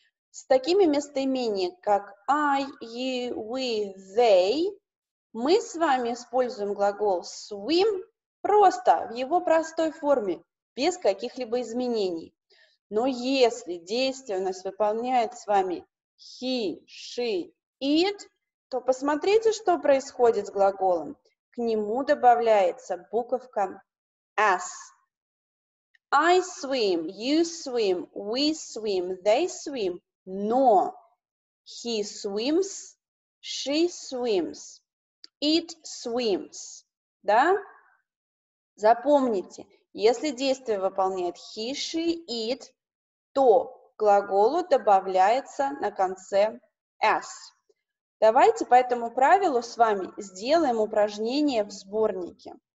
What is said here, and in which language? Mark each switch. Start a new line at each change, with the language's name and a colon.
Russian: С такими местоимениями, как I, you, we, they, мы с вами используем глагол swim просто в его простой форме, без каких-либо изменений. Но если действие у нас выполняет с вами he, she, it, то посмотрите, что происходит с глаголом. К нему добавляется буковка S.
English: I swim, you swim, we swim, they swim, но he swims, she swims, it swims, да?
Russian: Запомните, если действие выполняет he, she, it, то глаголу добавляется на конце S. Давайте по этому правилу с вами сделаем упражнение в сборнике.